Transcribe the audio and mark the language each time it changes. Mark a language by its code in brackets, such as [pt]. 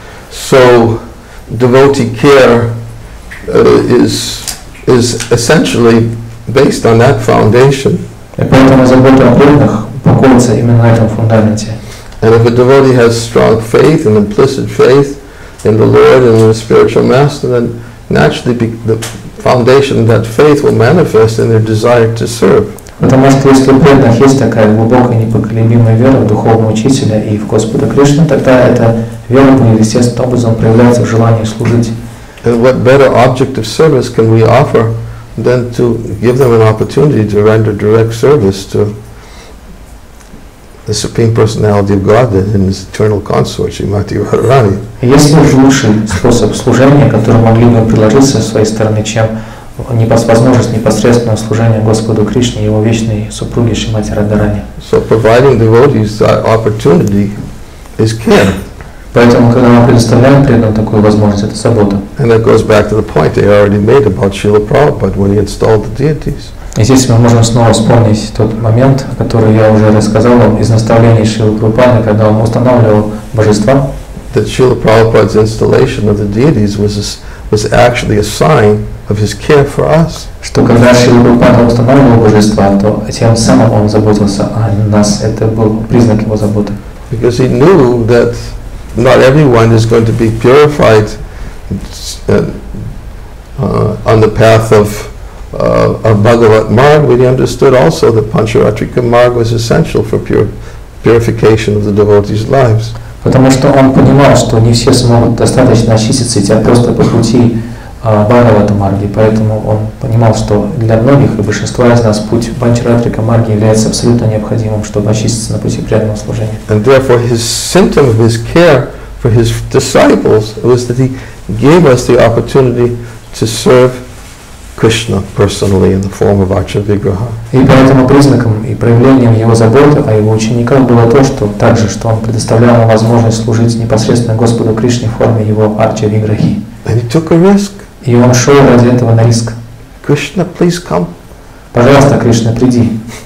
[en] So, devotee care is essentially based on that foundation. [ru] И поэтому забота о преданных покоится именно на этом фундаменте. [en] And if a devotee has strong faith and implicit faith in the Lord and in the spiritual master, then naturally the foundation of that faith will manifest in their desire to serve. [ru] Потому что если у преданных есть такая глубокая непоколебимая вера в духовного учителя и в Господа Кришну, тогда эта вера будет естественным образом проявляться в желании служить. [en] And what better object of service can we offer than to give them an opportunity to render direct service to the Supreme Personality of Godhead and His Eternal Consort, Srimati Radharani. [ru] Есть ли лучший способ служения, который могли бы предложить со своей стороны, чем возможность непосредственного служения Господу Кришне и Его вечной супруге Шримати Радхарани? [en] So providing devotees the opportunity is care. [ru] Поэтому, когда мы предоставляем преданным такую возможность, это забота. [en] And that goes back to the point they already made about Srila Prabhupada when he installed the deities. [ru] И здесь мы можем снова вспомнить тот момент, который я уже рассказал вам из наставлений Шрилы Прабхупады, когда он устанавливал божества. [en] That Srila Prabhupada's installation of the deities was actually a sign of his care for us. [ru] Что когда Шрила Прабхупада устанавливал божества, то тем самым он заботился о нас. Это был признак его заботы. [en] Because he knew that not everyone is going to be purified on the path of Bhagavat Marg, we understood also that Pancharatrika Marg was essential for purification of the devotees' lives. [ru] Потому что он понимал, что не все смогут достаточно очиститься, и тебя просто по пути Бхагавата Марги, поэтому он понимал, что для многих и большинства из нас путь Панчаратрика Марги является абсолютно необходимым, чтобы очиститься на пути преданного служения. [en] And therefore his symptom of his care for his disciples was that he gave us the opportunity to serve Krishna personally in the form of Acharya-vigraha. [ru] И поэтому признаком и проявлением его заботы о его учениках было то, что также, что он предоставлял ему возможность служить непосредственно Господу Кришне в форме его Арчи-виграхи. [en] And he took a risk. [ru] И он шел ради этого на риск. [en] Krishna, please come. [ru] Пожалуйста, Кришна, приди.